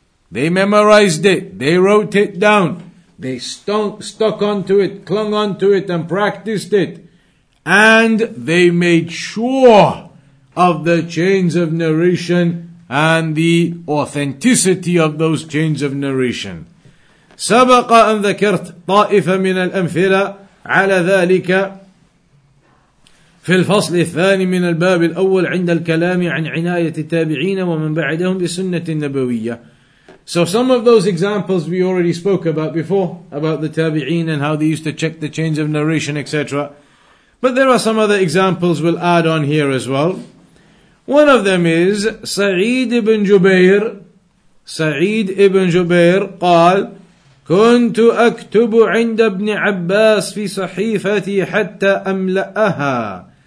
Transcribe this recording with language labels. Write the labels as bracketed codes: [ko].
[en] They memorized it, they wrote it down, they stuck onto it, clung onto it, and practiced it. And they made sure of the chains of narration and the authenticity of those chains of narration. [ar] سبق أن ذكرت طائفة من الأمثلة على ذلك في الفصل الثاني من الباب الأول عند الكلام عن عناية التابعين ومن بعدهم بسنة النبوية. [en] So some of those examples we already spoke about before, about the tabi'een and how they used to check the chains of narration, etc. But there are some other examples we'll add on here as well. One of them is سعيد بن جبير. [ar] سعيد بن جبير قال كنت أكتب عند ابن عباس في صحيفتي حتى أملأها.